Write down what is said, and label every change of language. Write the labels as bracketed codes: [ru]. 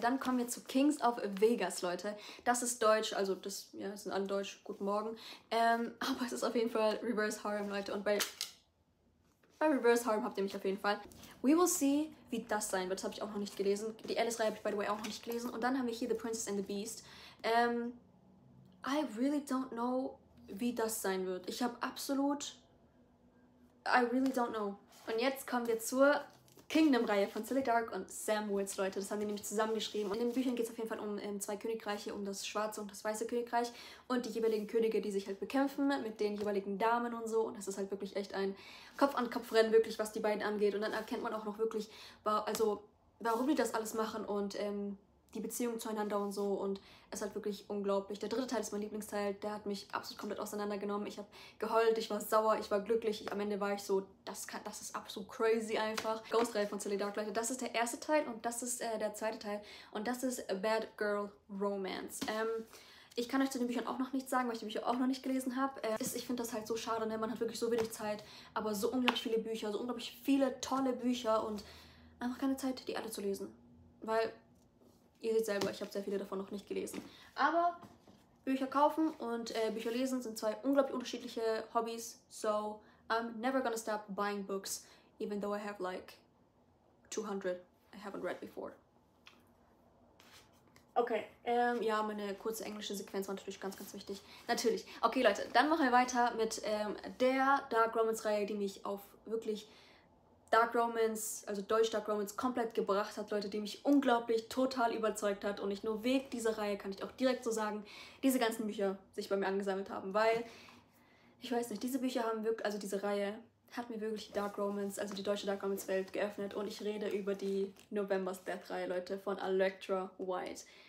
[de] Dann kommen wir zu Kings of Vegas, Leute. Das ist deutsch, also das, ja, sind alle deutsch, guten Morgen. Aber es ist auf jeden Fall Reverse Harem, Leute. Und bei Reverse Harem habt ihr mich auf jeden Fall. [en] We will see, [de] wie das sein wird. Das habe ich auch noch nicht gelesen. Die Alice-Reihe habe ich, [en] by the way, [de] auch noch nicht gelesen. Und dann haben wir hier The Princess and the Beast. [en] I really don't know, [de] wie das sein wird. Ich habe absolut, [en] I really don't know. [de] Und jetzt kommen wir zur Kingdom-Reihe von Sally Dark und Sam Woods, Leute. Das haben die nämlich zusammengeschrieben. Und in den Büchern geht es auf jeden Fall um zwei Königreiche, um das Schwarze und das Weiße Königreich. Und die jeweiligen Könige, die sich halt bekämpfen mit den jeweiligen Damen und so. Und das ist halt wirklich echt ein Kopf-an-Kopf-Rennen, wirklich, was die beiden angeht. Und dann erkennt man auch noch wirklich, warum die das alles machen und die Beziehung zueinander und so. Und es ist halt wirklich unglaublich. Der dritte Teil ist mein Lieblingsteil. Der hat mich absolut komplett auseinandergenommen. Ich habe geheult, ich war sauer, ich war glücklich. Am Ende war ich so, das ist absolut crazy einfach. Ghost-Reihe von Sally Dark, Leute. Das ist der erste Teil und das ist der zweite Teil. Und das ist A Bad Girl Romance. Ich kann euch zu den Büchern auch noch nichts sagen, weil ich die Bücher auch noch nicht gelesen habe. Ich finde das halt so schade, ne? Man hat wirklich so wenig Zeit, aber so unglaublich viele Bücher, so unglaublich viele tolle Bücher und einfach keine Zeit, die alle zu lesen. Weil ihr seht selber, ich habe sehr viele davon noch nicht gelesen. Aber Bücher kaufen und Bücher lesen sind zwei unglaublich unterschiedliche Hobbys. [en] So, I'm never gonna stop buying books, even though I have like 200 I haven't read before. [de] Okay, ja, meine kurze englische Sequenz war natürlich ganz, ganz wichtig. Natürlich. Okay, Leute, dann machen wir weiter mit der Dark Romance-Reihe, die mich auf wirklich Dark Romance, also Deutsch Dark Romance, komplett gebracht hat, Leute, die mich unglaublich total überzeugt hat und nicht nur wegen dieser Reihe, kann ich auch direkt so sagen, diese ganzen Bücher sich bei mir angesammelt haben, weil, ich weiß nicht, diese Bücher haben wirklich, also diese Reihe hat mir wirklich Dark Romance, also die deutsche Dark Romance Welt geöffnet und ich rede über die November's Death Reihe, Leute, von Electra White.